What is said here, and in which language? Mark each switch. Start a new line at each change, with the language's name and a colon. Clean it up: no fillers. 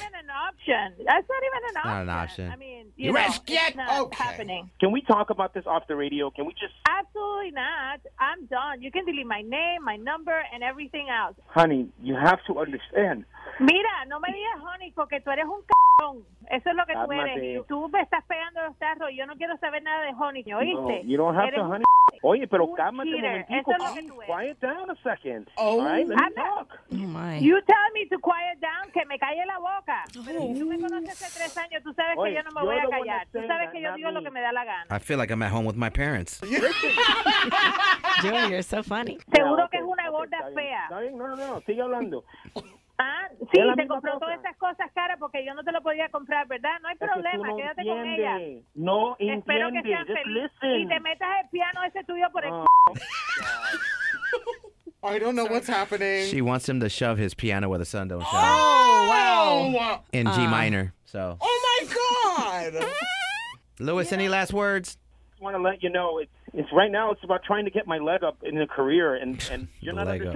English: not even an option. That's not even an option. Not an option. I mean, you know, it's not happening. Can we talk about this off the radio? Can we just? Absolutely not. I'm done. You can delete my name, my number, and everything else. Honey, you have to understand.
Spanish: Mira, no me digas honey, porque tú eres un c***. Eso es lo que tú eres. Y tú me estás pegando los tarros. Yo no quiero saber nada de honey, ¿oíste?
English: No, you don't have to honey.
Spanish: Oye, pero cálmate un momentico. Es
English: quiet down a second. Oh, all right, let me talk. Oh, my. You tell me to quiet down,
Spanish: que me calle la boca. Pero si tú me conoces hace 3 años, tú sabes que yo no me voy a callar. Tú sabes que yo digo lo que me da la gana.
English: I feel like I'm at home with my parents. Joey, you're so funny.
Spanish: Seguro que es una gorda fea. No, sigue hablando. Ah, sí, te compró todas esas cosas caras porque yo no te lo podía comprar, ¿verdad? No hay problema, quédate con ella. No entiende. Espero que sea feliz.
English: Listen.
Spanish: Y te metas el piano ese tuyo por el
English: I don't know what's happening. She wants him to shove his piano where the sun don't shine. Oh, wow. In G minor, so. Oh, my God. Louis, yeah. Any last words? I want to let you know, it's right now, it's about trying to get my leg up in a career, and you're not understanding